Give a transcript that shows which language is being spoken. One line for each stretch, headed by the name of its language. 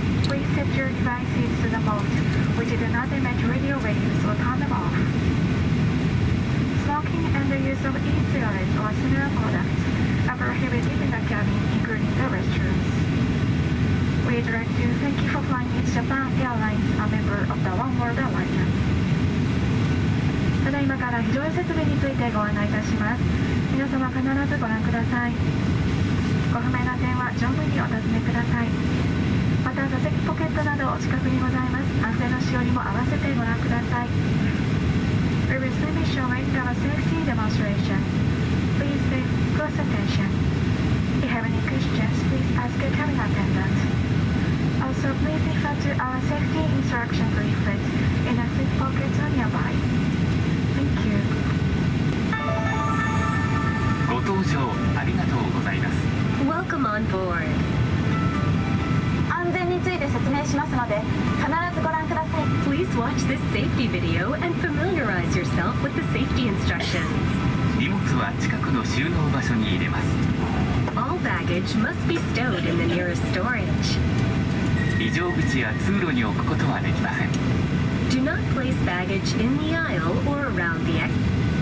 English: Please set your devices to the mode which do not emit radio waves or turn them off. Smoking and the use of e-cigarettes or similar products are prohibited in the cabin, including the restrooms. We would like to thank you for flying with Japan Airlines, a member of the One World Alliance.
Japanese: ただいまから非常設備についてご案内いたします。皆様必ずご覧ください。ご不明な点は乗務員にお尋ねください。また座席ポケットなどお近くにございます。安全のしおりも合わせてご覧ください。
English: We will soon be showing our safety demonstration. Please pay close attention. If you have any questions, please ask a cabin attendant. Also, please refer to our safety instruction leaflet in a seat pocket or nearby. Thank you.
Japanese: ご搭乗ありがとうございます。
English: Welcome on board.
Japanese: 安全について説明しますので、必ずご覧ください。
English: Please watch this safety video and familiarize yourself with the safety instructions.
Japanese: 荷物は近くの収納場所に入れます。
English: All baggage must be stowed in the nearest storage.
Japanese: 異常口や通路に置くことはできません。
English: Do not place baggage in the aisle or around the exit.